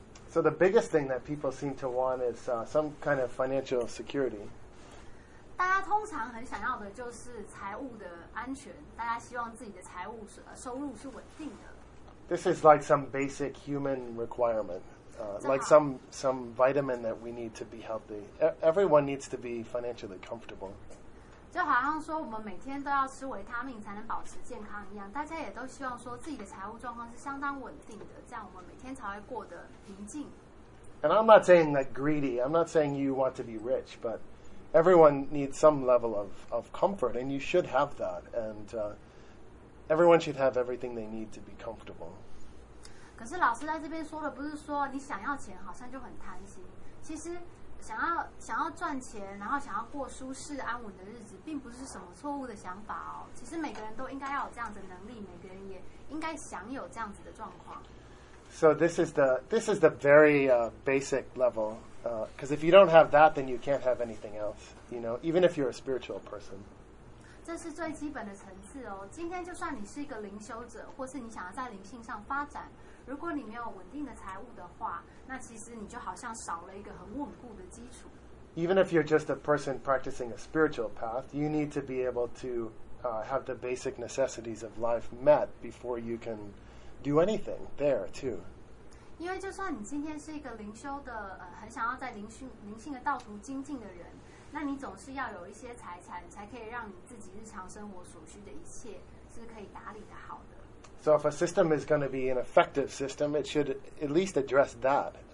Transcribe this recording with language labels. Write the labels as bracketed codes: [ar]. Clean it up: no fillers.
[en] So the biggest thing that people seem to want is some kind of financial security. [zh] 大家通常很想要的就是财务的安全，大家希望自己的财务收入是稳定的。 [en] This is like some basic human requirement, like some vitamin that we need to be healthy. Everyone needs to be financially comfortable. [zh] 就好像说我们每天都要吃维他命才能保持健康一样，大家也都希望说自己的财务状况是相当稳定的，这样我们每天才会过得平静。 [en] And I'm not saying that greedy. I'm not saying you want to be rich, but everyone needs some level of comfort, and you should have that. And everyone should have everything they need to be comfortable. [zh] 可是老师在这边说的不是说你想要钱好像就很贪心，其实。想要赚钱，然后想要过舒适安稳的日子，并不是什么错误的想法哦。其实每个人都应该要有这样子的能力，每个人也应该享有这样子的状况。 [en] So this is the very basic level, because if you don't have that, then you can't have anything else. You know, even if you're a spiritual person. [zh] 这是最基本的层次哦。今天就算你是一个灵修者，或是你想要在灵性上发展。如果你没有稳定的财务的话，那其实你就好像少了一个很稳固的基础。 [en] Even if you're just a person practicing a spiritual path, you need to be able to have the basic necessities of life met before you can do anything there too. [zh] 因为就算你今天是一个灵修的，很想要在灵性的道途精进的人，那你总是要有一些财产，才可以让你自己日常生活所需的一切是可以打理的好的。 [en] So if a system is going to be an effective system, it should at least address that.